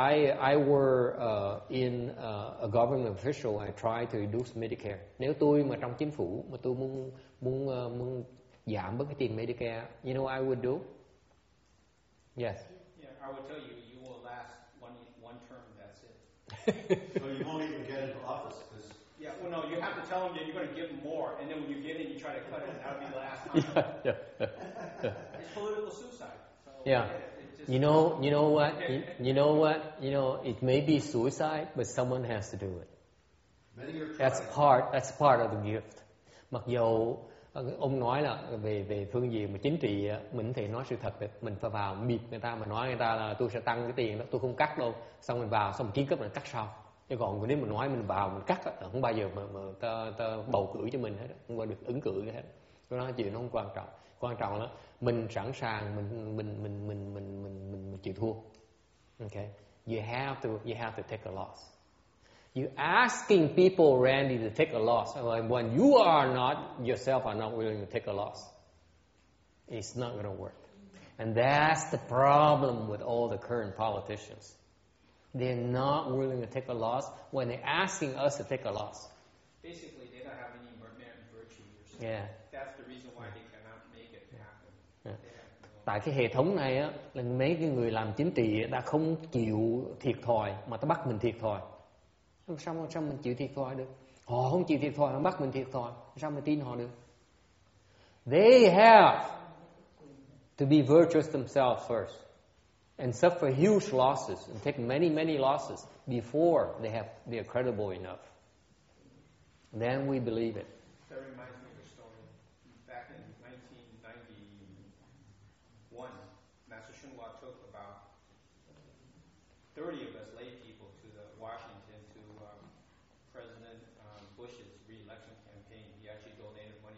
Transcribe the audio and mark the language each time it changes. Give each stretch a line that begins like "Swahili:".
English: If I were in a government official, I try to reduce Medicare.
Vietnamese: Nếu tôi mà trong chính phủ mà tôi muốn giảm bớt cái tiền Medicare,
English: you know what I would do? Yes. Yeah, I would tell you, you will last one term, that's it. So you won't even get into office. Yeah, well, no, you have to tell them that you're going to give them more, and then when you get it, you try to cut it, and that'll be the last time. Yeah. It's political suicide. So, yeah. You know what? It may be suicide, but someone has to do it. That's part of the gift.
Vietnamese: Mặc dù ông nói là về phương diện mà chính trị, mình có thể nói sự thật, mình phải vào bịp người ta mà nói người ta là tôi sẽ tăng cái tiền đó, tôi không cắt đâu. Xong mình vào, xong mình kiến cấp mình cắt sau. Chứ còn nếu mình nói mình vào mình cắt, không bao giờ mà ta bầu cử cho mình hết, không bao giờ được ứng cử hết. Tôi nói chuyện nó không quan trọng. Quan trọng là mình sẵn sàng mình chịu thua.
English: Okay, you have to take a loss. You asking people, Randy, to take a loss when you are not yourself are not willing to take a loss, it's not going to work. And that's the problem with all the current politicians. They're not willing to take a loss when they're asking us to take a loss. Basically, they don't have any merit virtue. Yeah, that's the reason why they cannot make it happen. Yeah.
Vietnamese: tại cái hệ thống này á, là mấy cái người làm chính trị đã không chịu thiệt thòi mà ta bắt mình thiệt thòi. Sao mình chịu thiệt thòi được? Họ không chịu thiệt thòi mà bắt mình thiệt thòi, sao mình tin họ được?
English: They have to be virtuous themselves first and suffer huge losses and take many, many losses before they are credible enough. Then we believe it. That reminds me of a story. Back in 1991, Master Shunhua took about 30 of us lay people to the Washington, to President Bush's re-election campaign. He actually donated money.